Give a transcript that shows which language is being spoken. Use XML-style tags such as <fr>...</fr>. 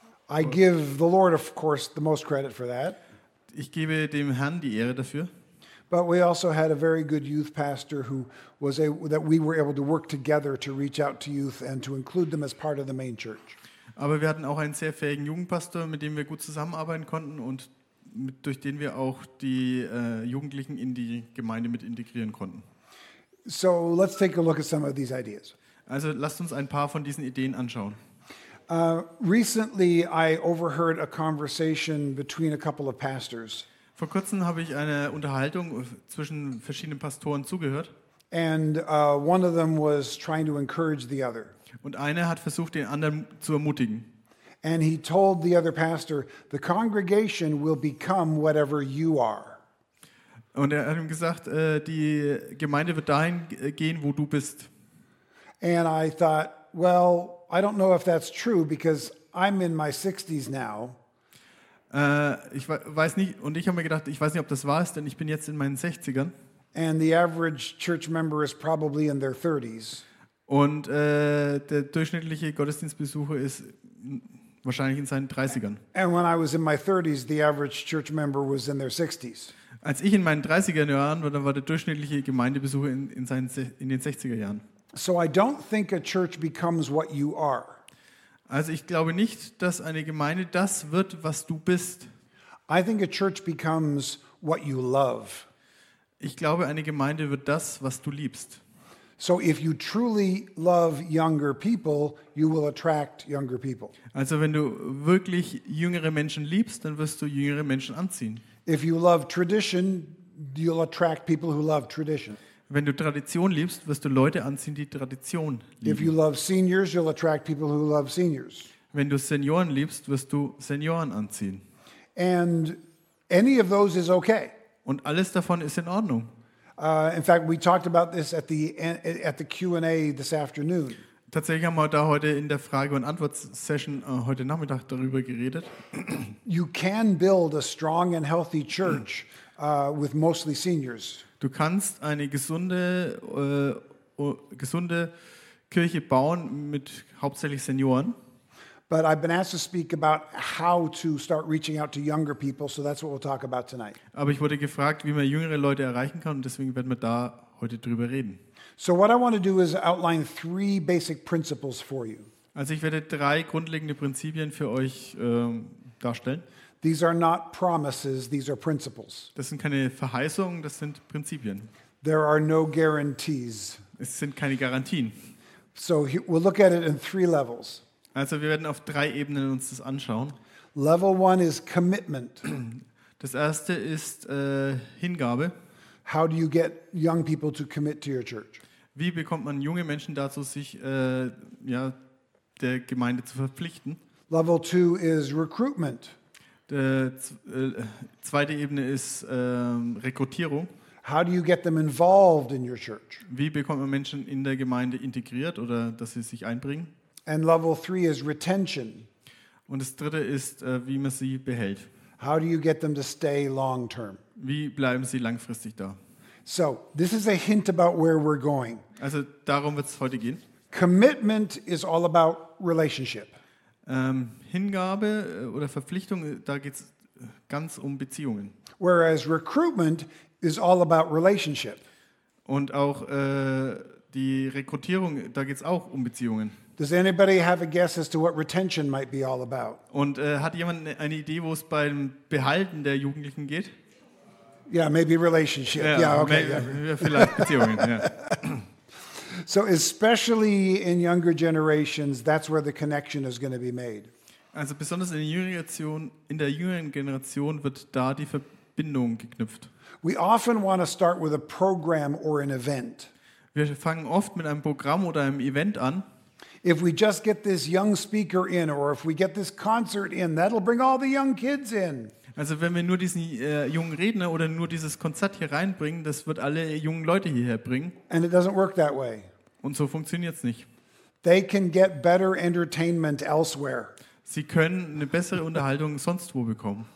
<en>I give the Lord of course the most credit for that.</en> <de>Ich gebe dem Herrn die Ehre dafür.</de> <en>But we also had a very good youth pastor who was that we were able to work together to reach out to youth and to include them as part of the main church.</en> <de>Aber wir hatten auch einen sehr fähigen Jugendpastor, mit dem wir gut zusammenarbeiten konnten und durch den wir auch die Jugendlichen in die Gemeinde mit integrieren konnten.</de> <en>So let's take a look at some of these ideas.</en> <de>Also lasst uns ein paar von diesen Ideen anschauen.</de> <en>Recently I overheard a conversation between a couple of pastors.</en> <de>Vor kurzem habe ich eine Unterhaltung zwischen verschiedenen Pastoren zugehört.</de> <en>And one of them was trying to encourage the other.</en> <de>Und einer hat versucht den anderen zu ermutigen.</de> <en>And he told the other pastor, the congregation will become whatever you are.</en> <de>Und er hat ihm gesagt, die Gemeinde wird dahin gehen, wo du bist.</de> <en>And I thought, well, I don't know if that's true because I'm in my 60s now.</en> <de>Ich weiß nicht und ich habe mir gedacht, ich weiß nicht, ob das wahr ist, denn ich bin jetzt in meinen 60ern.</de> <en>And the average church member is probably in their 30s.</en> <de>Und der durchschnittliche Gottesdienstbesucher ist wahrscheinlich in seinen 30ern.</de> <en>And when I was in my 30s, the average church member was in their 60s.</en> <de>Als ich in meinen 30er Jahren war, dann war der durchschnittliche Gemeindebesuch in den 60er Jahren.</de> <en>So I don't think a church becomes what you are.</en> <de>Also ich glaube nicht, dass eine Gemeinde das wird, was du bist.</de> <en>I think a church becomes what you love.</en> <de>Ich glaube, eine Gemeinde wird das, was du liebst.</de> <en>So if you truly love younger people, you will attract younger people.</en> <de>Also wenn du wirklich jüngere Menschen liebst, dann wirst du jüngere Menschen anziehen.</de> <en>If you love tradition, you'll attract people who love tradition.</en> <de>Wenn du Tradition liebst, wirst du Leute anziehen, die Tradition lieben.</de> <en>If you love seniors, you'll attract people who love seniors.</en> <de>Wenn du Senioren liebst, wirst du Senioren anziehen.</de> <en>And any of those is okay.</en> <de>Und alles davon ist in Ordnung.</de> <en>In fact, we talked about this at the Q&A this afternoon.</en> <de>Tatsächlich haben wir da heute in der Frage- und Antwort-Session heute Nachmittag darüber geredet.</de> <en>You can build a strong and healthy church with mostly seniors.</en> <de>Du kannst eine gesunde Kirche bauen mit hauptsächlich Senioren.</de> <en>But I've been asked to speak about how to start reaching out to younger people, so that's what we'll talk about tonight.</en> <de>Aber ich wurde gefragt, wie man jüngere Leute erreichen kann, und deswegen werden wir da heute drüber reden.</de> <en>So what I want to do is outline three basic principles for you.</en> <de>Also ich werde drei grundlegende Prinzipien für euch darstellen.</de> <en>These are not promises, these are principles.</en> <de>Das sind keine Verheißungen, das sind Prinzipien.</de> <en>There are no guarantees.</en> <de>Es sind keine Garantien.</de> <en>So we'll look at it in three levels.</en> <de>Also wir werden auf drei Ebenen uns das anschauen.</de> <en>Level one is commitment.</en> <de>Das erste ist Hingabe.</de> <en>How do you get young people to commit to your church?</en> <de>Wie bekommt man junge Menschen dazu, sich der Gemeinde zu verpflichten?</de> <en>Level two is recruitment.</en> <de>Die zweite Ebene ist Rekrutierung.</de> <en>How do you get them involved in your church?</en> <de>Wie bekommt man Menschen in der Gemeinde integriert oder dass sie sich einbringen?</de> <en>And level three is retention.</en> <de>Und das dritte ist, wie man sie behält.</de> <en>How do you get them to stay long term?</en> <de>Wie bleiben sie langfristig da?</de> <en>So, this is a hint about where we're going.</en> <de>Also, darum wird's heute gehen.</de> <en>Commitment is all about relationship.</en> <de>Hingabe oder Verpflichtung, da geht's ganz um Beziehungen.</de> <en>Whereas recruitment is all about relationship.</en> <de>Und auch die Rekrutierung, da geht's auch um Beziehungen.</de> <en>Does anybody have a guess as to what retention might be all about?</en> <de>Und hat jemand eine Idee, wo es beim Behalten der Jugendlichen geht?</de> <en>Yeah, maybe relationship.</en> <de>Vielleicht Beziehungen. Yeah.</de> <en>So especially in younger generations, that's where the connection is going to be made.</en> <de>Also besonders in der jüngeren Generation wird da die Verbindung geknüpft.</de> <en>We often want to start with a program or an event.</en> <de>Wir fangen oft mit einem Programm oder einem Event an.</de> <en>If we just get this young speaker in, or if we get this concert in, that'll bring all the young kids in.</en> <de>Also wenn wir nur diesen jungen Redner oder nur dieses Konzert hier reinbringen, das wird alle jungen Leute hierher bringen.</de> <en>And it doesn't work that way.</en> <de>Und so funktioniert's nicht.</de> <en>They can get better entertainment elsewhere.</en> <de>Sie können eine bessere Unterhaltung sonst wo bekommen.</de>